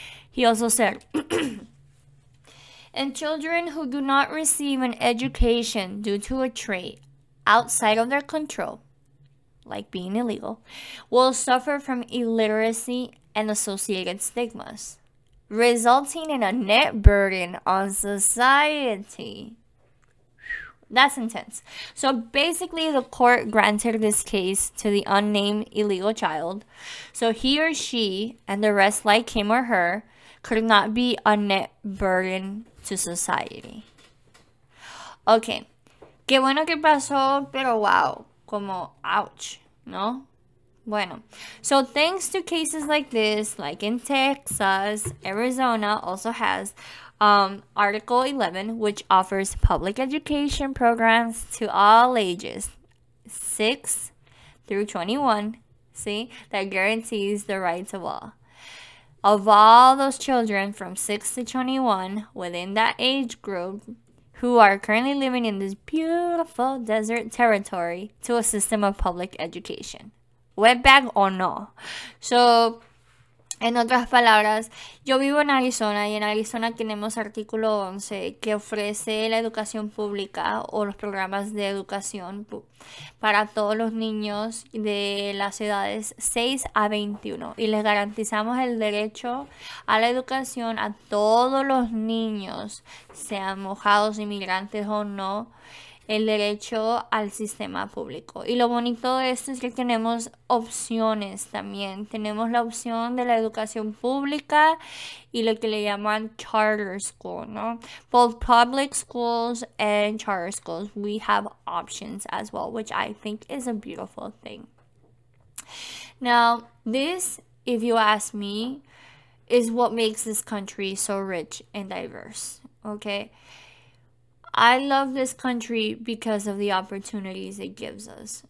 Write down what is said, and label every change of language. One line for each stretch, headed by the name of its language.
English: He also said, and children who do not receive an education due to a trait outside of their control, like being illegal, will suffer from illiteracy and associated stigmas, resulting in a net burden on society. That's intense. So basically, the court granted this case to the unnamed illegal child, so he or she and the rest, like him or her, could not be a net burden to society.
Spanish: Okay, qué bueno que pasó, pero wow, como ouch, ¿no?
English: Bueno, so thanks to cases like this, like in Texas, Arizona also has Article 11, which offers public education programs to all ages, 6 through 21, see, that guarantees the rights of all. Of all those children from 6 to 21 within that age group who are currently living in this beautiful desert territory to a system of public education.
Spanish: Wetback o no. So, en otras palabras, yo vivo en Arizona y en Arizona tenemos artículo 11 que ofrece la educación pública o los programas de educación para todos los niños de las edades 6 a 21 y les garantizamos el derecho a la educación a todos los niños, sean mojados, inmigrantes o no. El derecho al sistema público. Y lo bonito de esto es que tenemos opciones también. Tenemos la opción de la educación pública y lo que le llaman charter school, ¿no?
English: Both public schools and charter schools. We have options as well, which I think is a beautiful thing. Now, this, if you ask me, is what makes this country so rich and diverse, okay? I love this country because of the opportunities it gives us.